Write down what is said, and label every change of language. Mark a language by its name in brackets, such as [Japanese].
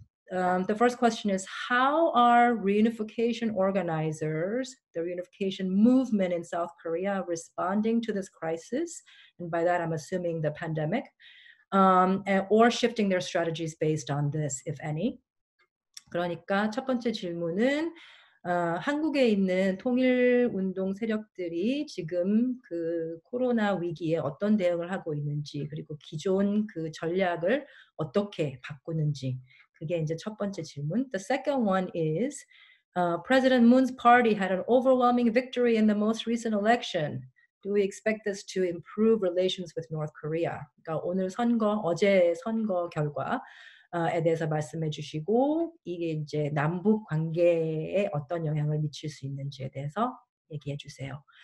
[English] The first question is, how are reunification organizers, the reunification movement in South Korea, responding to this crisis? And by that, I'm assuming the pandemic. Or shifting their strategies based on this, if any. [Korean] 그러니까 첫 번째 질문은 한국에 있는 통일운동 세력들이 지금 그 코로나 위기에 어떤 대응을 하고 있는지, 그리고 기존 그 전략을 어떻게 바꾸는지, 그게 이제 첫 번째 질문. [English] The second one is, President Moon's party had an overwhelming victory in the most recent election. Do we expect this to improve relations with North Korea? [Korean] 그러니까 오늘 선거, 어제 선거 결과에 대해서 말씀해 주시고 이게 이제 남북 관계에 어떤 영향을 미칠 수 있는지에 대해서 얘기해 주세요.